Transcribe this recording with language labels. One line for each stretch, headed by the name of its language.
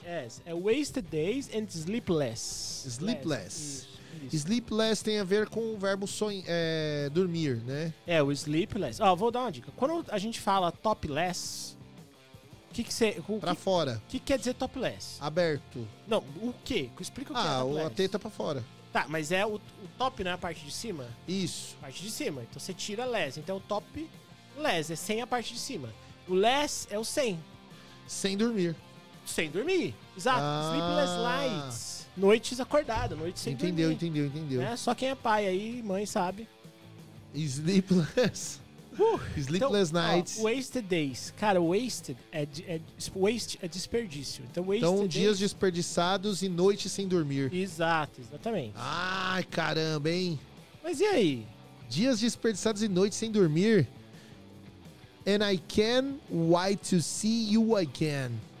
English: Yes, wasted days and sleepless. Sleepless.
Portuguese: Sleepless tem a ver com o verbo dormir, né? É, o sleepless. Ó, vou dar uma dica. Quando a gente fala topless... Pra fora. O que quer dizer topless? Aberto. Não, o quê? Explica o que é topless. Ah, a teta pra fora. Tá, mas é o top, não é a parte de cima? Isso. A parte de cima. Então você tira less. Então topless é sem a parte de cima. O less é o sem. Sem dormir.
English: Exato. Ah. Sleepless nights.
Portuguese: Noites acordadas, noites sem entendeu, dormir. Entendeu. Né? Só quem é pai aí, mãe, sabe.
English: Sleepless. Sleepless
Portuguese: então,
English: nights. Wasted days.
Portuguese: Cara, wasted é desperdício. Então, dias desperdiçados e noites sem dormir. Exato, exatamente. Ai, caramba, hein? Mas e aí? Dias desperdiçados e noites sem dormir.
English: And I can wait to see you again.